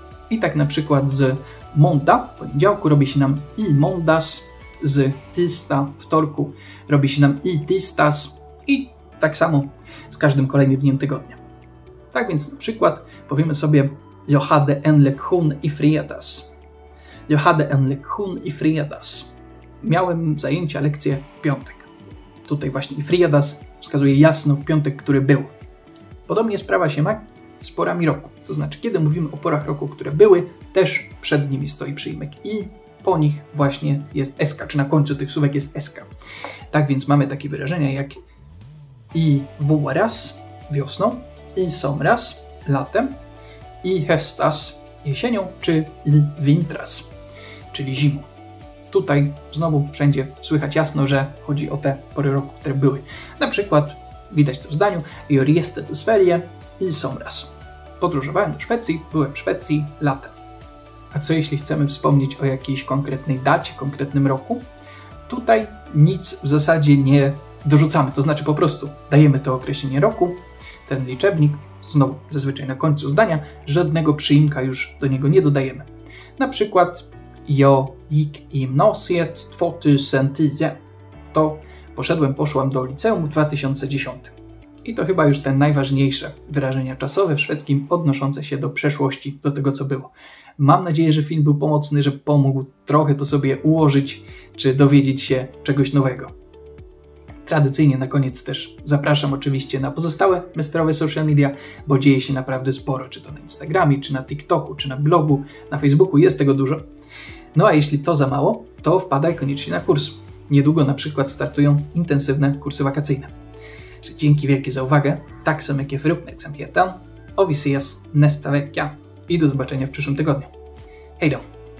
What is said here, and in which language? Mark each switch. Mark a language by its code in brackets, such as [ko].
[pl] I tak na przykład z monda, poniedziałku, robi się nam i mondas, z tista, wtorku, robi się nam i tistas i tak samo z każdym kolejnym dniem tygodnia. Tak więc na przykład powiemy sobie [sv] jag hade en lektion i fredags. Jag hade en lektion i fredags. [pl] Miałem zajęcia, lekcje w piątek. Tutaj właśnie fredas wskazuje jasno w piątek, który był. Podobnie sprawa się ma z porami roku. To znaczy, kiedy mówimy o porach roku, które były, też przed nimi stoi przyimek i po nich właśnie jest eska, czy na końcu tych słówek jest eska. Tak więc mamy takie wyrażenia jak i våras, wiosną, i somras, latem, i höstas, jesienią, czy i vintras. czyli zimą. Tutaj znowu wszędzie słychać jasno, że chodzi o te pory roku, które były. Na przykład widać to w zdaniu: [sv] Jag reste till Sverige i somras. [pl] Podróżowałem do Szwecji, byłem w Szwecji latem. A co jeśli chcemy wspomnieć o jakiejś konkretnej dacie, konkretnym roku? Tutaj nic w zasadzie nie dorzucamy, to znaczy po prostu dajemy to określenie roku, ten liczebnik, znowu zazwyczaj na końcu zdania, żadnego przyimka już do niego nie dodajemy. Na przykład [sv] Jag gick i gymnasiet 2010. [pl] To poszłam do liceum w 2010. I to chyba już te najważniejsze wyrażenia czasowe w szwedzkim odnoszące się do przeszłości, do tego co było. Mam nadzieję, że film był pomocny, że pomógł trochę to sobie ułożyć czy dowiedzieć się czegoś nowego. Tradycyjnie na koniec też zapraszam oczywiście na pozostałe mestrowe social media, bo dzieje się naprawdę sporo, czy to na Instagramie, czy na TikToku, czy na blogu, na Facebooku, jest tego dużo. No a jeśli to za mało, to wpadaj koniecznie na kurs. Niedługo na przykład startują intensywne kursy wakacyjne. Dzięki wielkie za uwagę. [sv] Tack så mycket för uppmärksamheten. Och vi ses nästa vecka. [pl] I do zobaczenia w przyszłym tygodniu. [sv] Hej då!